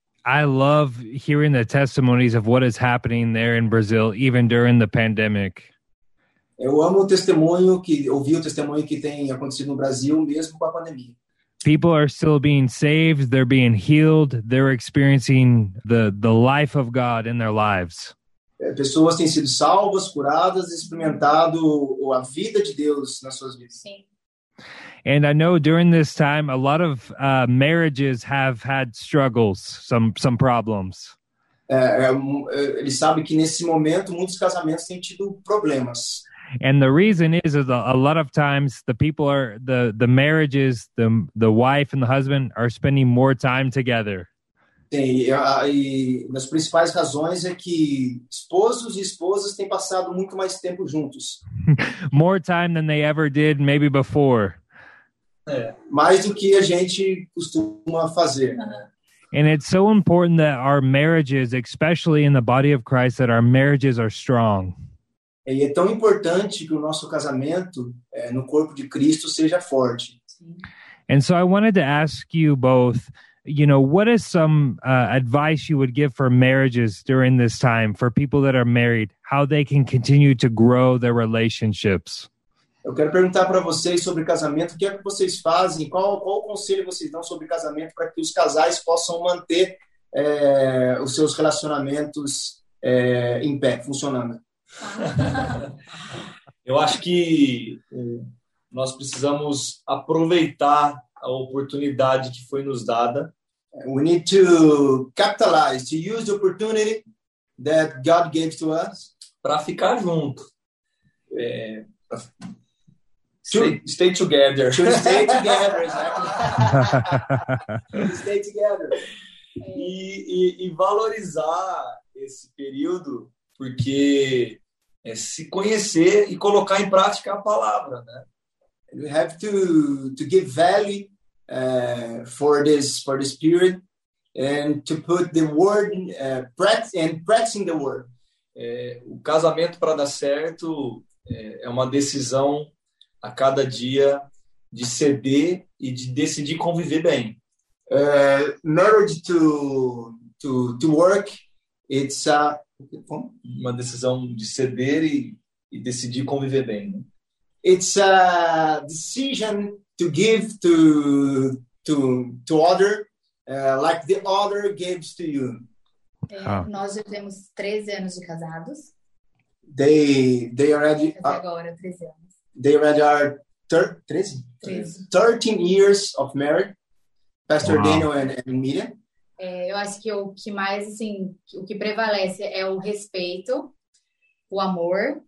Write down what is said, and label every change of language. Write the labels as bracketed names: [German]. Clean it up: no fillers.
[English] I love hearing the testimonies of what is happening there in Brazil, even during the pandemic. [Portuguese] Eu amo o testemunho que ouvi o testemunho que tem acontecido no Brasil mesmo com a pandemia. [English] People are still being saved, they're being healed, they're experiencing the life of God in their lives. [Portuguese] Pessoas têm sido salvas, curadas, experimentado a vida de Deus nas suas vidas. Sim. [English] And I know during this time, a lot of marriages have had struggles, some problems. [Portuguese] Ele sabe que nesse momento muitos casamentos têm tido problemas. [English] And the reason is a lot of times the people are the marriages, the wife and the husband are spending more time together. [Portuguese] E uma das principais razões é que esposos e esposas têm passado muito mais tempo juntos. [English] More time than they ever did maybe before. [Portuguese] Mais do que a gente costuma fazer, né? [English] And it's so important that our marriages, especially in the body of Christ, that our marriages are strong. [Portuguese] E é tão importante que o nosso casamento no corpo de Cristo seja forte. [English] And so I wanted to ask you both, you know, what is some advice you would give for marriages during this time, for people that are married, how they can continue to grow their relationships? [Portuguese] Eu quero perguntar para vocês sobre casamento, o que é que vocês fazem? Qual o conselho vocês dão sobre casamento para que os casais possam manter os seus relacionamentos em pé, funcionando? Eu acho que nós precisamos aproveitar a oportunidade que foi nos dada. [English] We need to capitalize, to use the opportunity that God gave to us [Portuguese] Para ficar junto. [English] Stay together. To stay together, exactly. Stay together. [Portuguese] E valorizar esse período, porque é se conhecer e colocar em prática a palavra, né? [English] You have to give value for this period and to put the word practicing the word. [Portuguese] O casamento para dar certo é uma decisão a cada dia de ceder e de decidir conviver bem. [English] Marriage to work, it's a [Portuguese] uma decisão de ceder e decidir conviver bem. [English] It's a decision to give to other, like the other gives to you. [Portuguese] Nós já temos 3 anos de casados. [English] They already [Portuguese] agora 3 anos. [English] They already are 13 years of marriage, Pastor Daniel and Miriam. [Portuguese] Eu acho que o que mais, assim, o que prevalece é o respeito, o amor.